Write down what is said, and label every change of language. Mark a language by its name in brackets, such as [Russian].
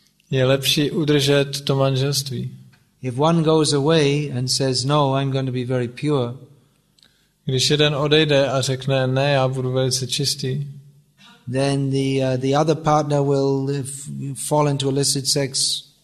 [Czech] Je lepší udržet to manželství. [English] If one goes away and says no, I'm going to be very pure. [Czech] Když jeden odejde a řekne ne, já budu velice čistý. [English] Then the other partner will fall into illicit sex.